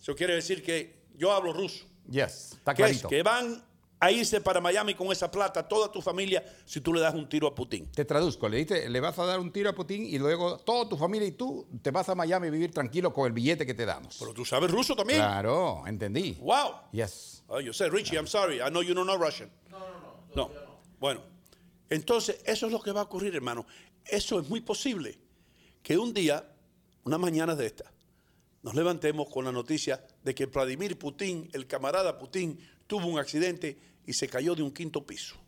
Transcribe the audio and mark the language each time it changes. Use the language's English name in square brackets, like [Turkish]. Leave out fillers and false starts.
[Spanish] Eso quiere decir que yo hablo ruso. [English] Yes. [Spanish] Está que clarito. Es que van a irse para Miami con esa plata toda tu familia si tú le das un tiro a Putin. Te traduzco, le dices, le vas a dar un tiro a Putin y luego toda tu familia y tú te vas a Miami a vivir tranquilo con el billete que te damos. Pero tú sabes ruso también. Claro, entendí. Wow. [English] Yes. Oh, you said Richie, claro. I'm sorry. I know you don't know Russian. [Spanish] No. No. Bueno, entonces eso es lo que va a ocurrir, hermano. Eso es muy posible que un día, una mañana de esta, nos levantemos con la noticia de que Vladimir Putin, el camarada Putin, tuvo un accidente y se cayó de un quinto piso.